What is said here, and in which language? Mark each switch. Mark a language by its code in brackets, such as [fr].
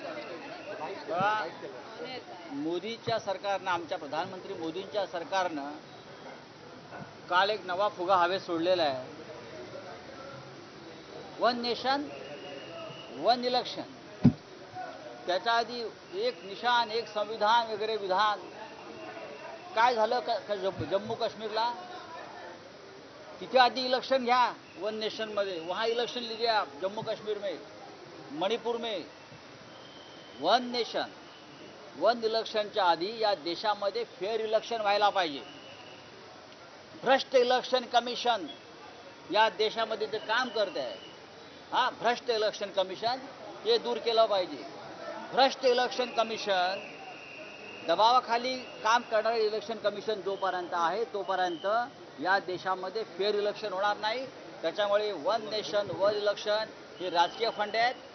[mr] मोदींच्या सरकारनं, आमच्या प्रधानमंत्री मोदींच्या सरकारनं काल एक नवा फुगा हवेत सोडलेला आहे। वन नेशन वन इलेक्शन, त्याच्या आधी एक निशान एक संविधान वगैरे विधान, काय झालं जम्मू काश्मीरला? तिथे आधी इलेक्शन घ्या वन नेशन मध्ये, [hi] वहां इलेक्शन लीजिए आप जम्मू कश्मीर में, मणिपुर में। [mr] वन नेशन वन इलेक्शनच्या आधी या देशामध्ये फेअर इलेक्शन व्हायला पाहिजे। भ्रष्ट इलेक्शन कमिशन या देशामध्ये ते काम करते है। हाँ, भ्रष्ट इलेक्शन कमिशन ये दूर केलं पाहिजे। भ्रष्ट इलेक्शन कमिशन दबावाखाली काम करणारे इलेक्शन कमिशन जोपर्यंत आहे तोपर्यंत या देशामध्ये फेअर इलेक्शन होणार नाही। त्याच्यामुळे वन नेशन वन इलेक्शन हे राजकीय फंड आहेत।